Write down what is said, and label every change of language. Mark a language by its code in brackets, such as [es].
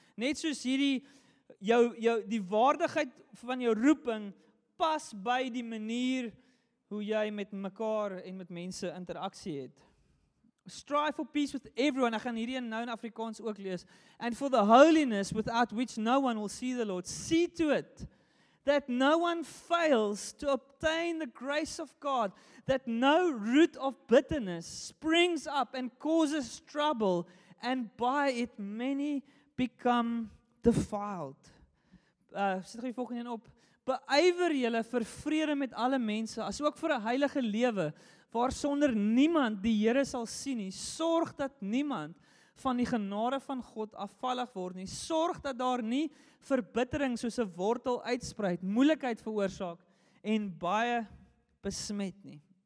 [af] Net soos hierdie, jou die waardigheid van jou roeping pas by die manier hoe jy met mekaar en met mense interaksie het. [en] Strive for peace with everyone. [af] Ek gaan hierdie nou in Afrikaans ook lees. [en] And for the holiness without which no one will see the Lord. See to it that no one fails to obtain the grace of God, that no root of bitterness springs up and causes trouble, and by it many become defiled. [af] Sit die volgende op. Beywer julle vir vrede met alle mense, as ook vir 'n heilige lewe, waar sonder niemand die Here sal sien nie. Sorg dat niemand van die genade van God afvallig word nie. Sorg dat daar nie verbittering soos 'n wortel uitspruit, moeilikheid veroorsaak en baie besmet nie.